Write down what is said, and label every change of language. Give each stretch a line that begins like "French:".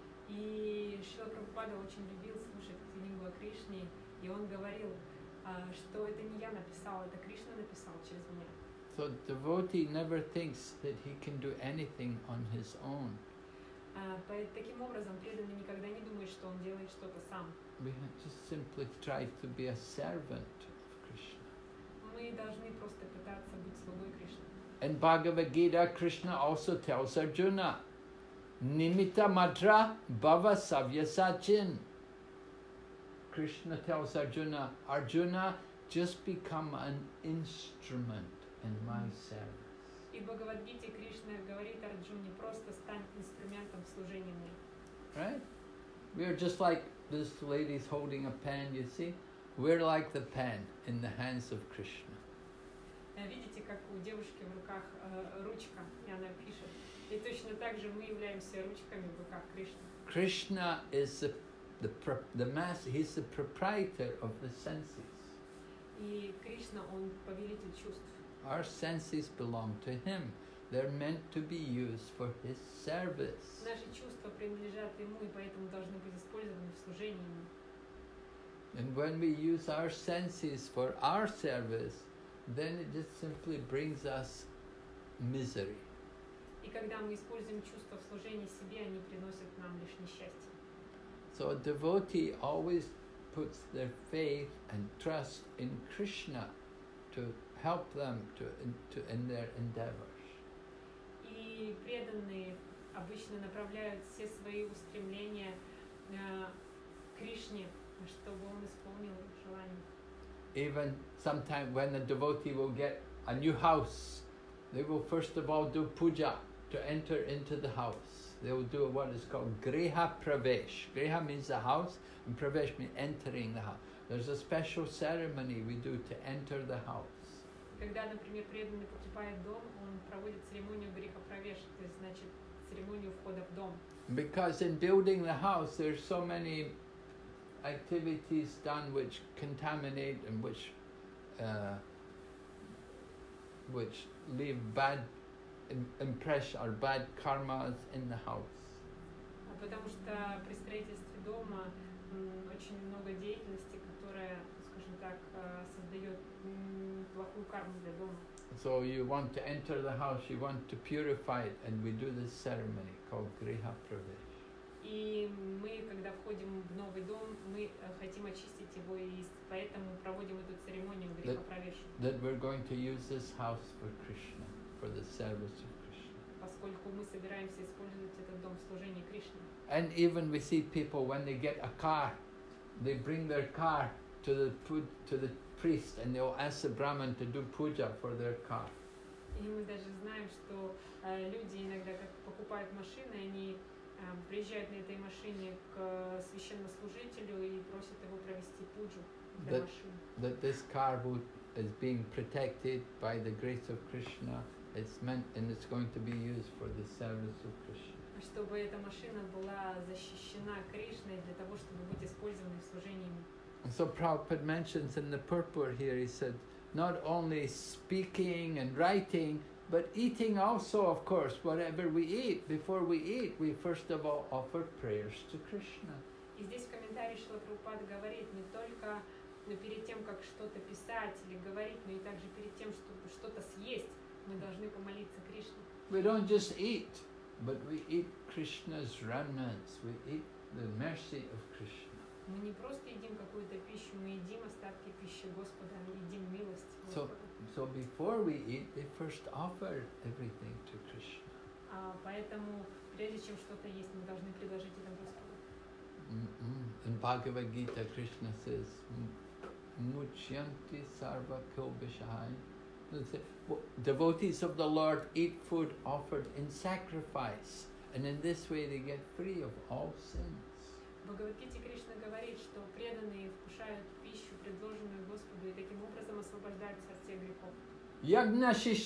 Russian: И Шрила Прабхупада очень любил слушать книгу о Кришне, и он говорил, что это не я написал, это Кришна написал через меня.
English: So devotee never thinks that he can do anything on his own.
Russian: Таким образом, преданный никогда не думает, что он делает что-то сам.
English: We just simply try to be a servant of Krishna.
Russian: Мы должны просто пытаться быть слугой Кришны.
English: In Bhagavad Gita, Krishna also tells Arjuna,
Sanskrit: Nimitta matra bhava savyasa chin.
English: Krishna tells Arjuna, Arjuna, just become an instrument in my service.
Russian: И Бхагавадгите Кришна говорит Арджуне, просто стань инструментом в служении мне.
English: Right? We are just like this lady is holding a pen, you see? We're like the pen in the hands of Krishna.
Russian: Видите, как у девушки в руках ручка, и она пишет. И точно так же мы являемся ручками в руках Кришны.
English: Krishna is the master, he's the proprietor of the senses.
Russian: И Кришна, он повелитель чувств.
English: Our senses belong to him. They're meant to be used for his service.
Russian: Наши чувства принадлежат ему, и поэтому должны быть использованы в служении ему.
English: And when we use our senses for our service, then it just simply brings us misery.
Russian: И когда мы используем чувства в служении себе, они приносят нам лишь несчастье.
English: So a devotee always puts their faith and trust in Krishna to help them to in their endeavors.
Russian: И преданные обычно направляют все свои устремления к Кришне, чтобы он исполнил желание.
English: Even sometimes when a devotee will get a new house, they will first of all do puja to enter into the house. They will do what is called griha pravesh. Griha means the house, and pravesh means entering the house. There's a special ceremony we do to enter the house.
Russian: Когда, например, преданный покупает дом, он проводит церемонию гриха правеш, то есть, значит, церемонию входа в дом.
English: Because in building the house, there's so many activities done which contaminate and which leave bad impression or bad karmas in the house.
Russian: Потому что при строительстве дома очень много деятельности, которая, скажем так, создает плохую карму для дома.
English: So you want to enter the house, you want to purify it, and we do this ceremony called Griha Pravesh.
Russian: И мы, когда входим в новый дом, мы хотим очистить его, и поэтому проводим эту церемонию Гриха Правеш.
English: That we're going to use this house for Krishna, for the service of Krishna.
Russian: Поскольку мы собираемся использовать этот дом в служении Кришне.
English: And even we see people when they get a car, they bring their car to the priest, and they'll ask the Brahman to do puja for their car.
Russian: И мы даже знаем, что люди иногда как покупают машины, они приезжают на этой машине к священнослужителю и просят его провести пуджу для машины.
English: That this car is being protected by the grace of Krishna. It's meant and it's going to be used for the service of Krishna.
Russian: Чтобы эта машина была защищена Кришной для того, чтобы быть использованной в служении.
English: And so Prabhupada mentions in the purport here, he said, not only speaking and writing, but eating also, of course, whatever we eat, before we eat, we first of all offer prayers to Krishna.
Russian: И здесь в комментарии Шрила Прабхупада говорит, не только перед тем, как что-то писать или говорить, но и также перед тем, чтобы что-то съесть, мы должны помолиться Кришне.
English: We don't just eat, but we eat Krishna's remnants, we eat the mercy of Krishna.
Russian: Мы не просто едим какую-то пищу, мы едим остатки пищи Господа, мы едим милость Господа.
English: So before we eat, we first offer everything to Krishna.
Russian: Поэтому прежде чем что-то есть, мы должны предложить это Господу.
English: In Bhagavad Gita, Krishna says,
Sanskrit: "Muchyanti sarva kobishai."
English: Devotees of the Lord eat food offered in sacrifice, and in this way they get free of all sins.
Russian: Бхагавадгите Кришна говорит, что преданные вкушают пищу, предложенную Господу, и таким образом освобождаются от всех грехов.